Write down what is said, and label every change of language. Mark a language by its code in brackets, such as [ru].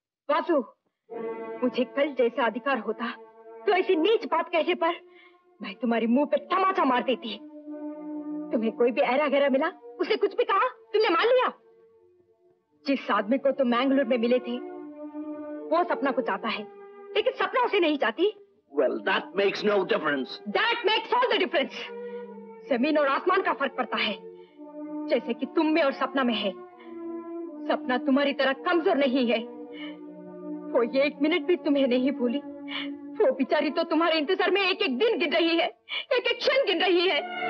[hi] वासु, मुझे कल जैसा अधिकार होता तो ऐसी नीच बात कहने पर मैं तुम्हारी मुंह पे तमाचा मार देती। तुम्हें कोई भी ऐरा गैरा मिला, उसने कुछ भी कहा, तुमने मान लिया? जिस आदमी को तुम मैंगलोर में मिले थे वो सपना को चाहता है, लेकिन सपना उसे नहीं चाहती। [en] Well, that makes no difference. That makes all the difference. [hi] जमीन और आसमान का फर्क पड़ता है, जैसे कि तुम में और सपना में है। सपना तुम्हारी तरह कमजोर नहीं है, वो ये एक मिनट भी तुम्हें नहीं भूली। वो बिचारी तो तुम्हारे इंतजार में एक एक दिन गिन रही है, एक एक क्षण गिन रही है।